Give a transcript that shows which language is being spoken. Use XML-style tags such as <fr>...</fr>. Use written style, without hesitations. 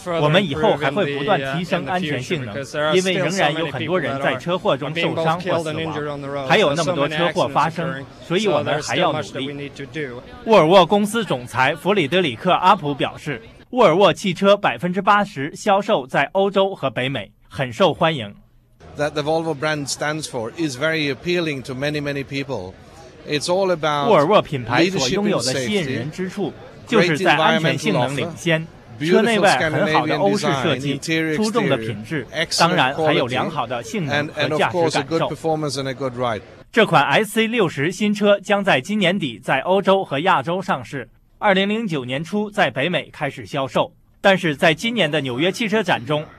<zh>我们以后还会不断提升安全性能，因为仍然有很多人在车祸中受伤或死亡，还有那么多车祸发生，所以我们还要努力。沃尔沃公司总裁弗里德里克·阿普表示，沃尔沃汽车80%销售在欧洲和北美，很受欢迎。</zh> <en>That the Volvo brand stands for is very appealing to many, many people. It's all about</en> <zh>沃尔沃品牌所拥有的吸引人之处，就是在安全性能领先、车内外很好的欧式设计、出众的品质，当然还有良好的性能和驾驶感受。这款 XC60 新车将在今年底在欧洲和亚洲上市，2009年初在北美开始销售，但是在今年的纽约汽车展中。</zh>